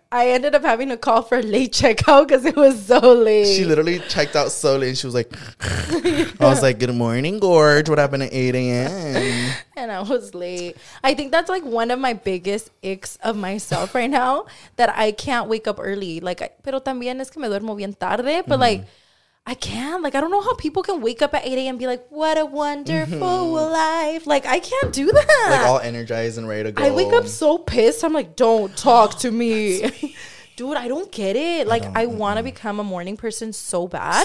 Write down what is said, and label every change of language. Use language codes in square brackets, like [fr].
[en] I ended up having to call for a late checkout because it was so late. She literally checked out so late and she was like, I was like, good morning, Gorge. What happened at 8 a.m.? And I was late. I think that's like one of my biggest icks of myself right now, that I can't wake up early. Like, [es] pero también es que me duermo bien tarde. [en] But like, I can't. Like, I don't know how people can wake up at 8 a.m. and be like, what a wonderful life. Like, I can't do that. Like, all energized and ready to go. I wake up so pissed. I'm like, don't talk to me. Dude, I don't get it. Like, I want to become a morning person so bad.